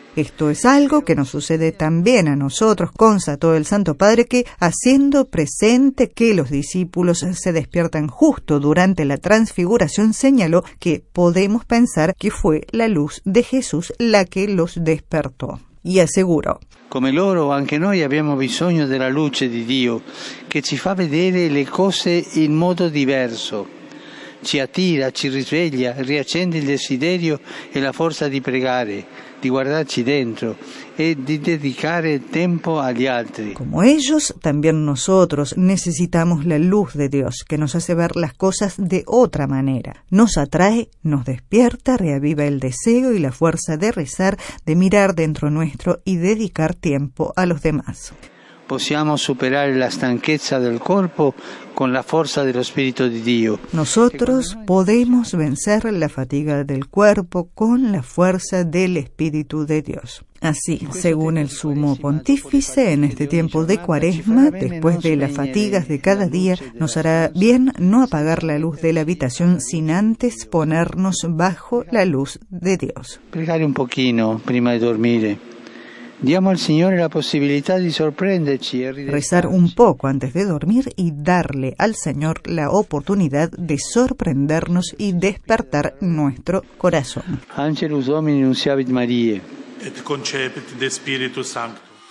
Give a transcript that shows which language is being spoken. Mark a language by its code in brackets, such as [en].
[es] Esto es algo que nos sucede también a nosotros, constató el Santo Padre, que haciendo presente que los discípulos se despiertan justo durante la transfiguración, señaló que podemos pensar que fue la luz de Jesús la que los despertó. Y aseguró: [it] Como loro, anche noi abbiamo bisogno della luce di Dio, che ci fa vedere le cose in modo diverso. Ci attira, ci risveglia, riaccende il desiderio e la forza di pregare, di guardarci dentro e di dedicare tempo agli altri. [es] Como ellos, también nosotros necesitamos la luz de Dios, que nos hace ver las cosas de otra manera. Nos atrae, nos despierta, reaviva el deseo y la fuerza de rezar, de mirar dentro nuestro y dedicar tiempo a los demás. [it] Possiamo superare la stanchezza del corpo con la forza dello Spirito di Dio. [es] Nosotros podemos vencer la fatiga del cuerpo con la fuerza del Espíritu de Dios. Así, según el Sumo Pontífice, en este tiempo de Cuaresma, después de las fatigas de cada día, nos hará bien no apagar la luz de la habitación sin antes ponernos bajo la luz de Dios. [it] Pregare un pochino prima di dormire. Diamo al Signore la possibilità di sorprenderci e ridere. [es] Rezar un poco antes de dormir y darle al Señor la oportunidad de sorprendernos y despertar nuestro corazón. [la] Angelus Domini nunciabit Mariae. Et concepit de Spiritu Sancto.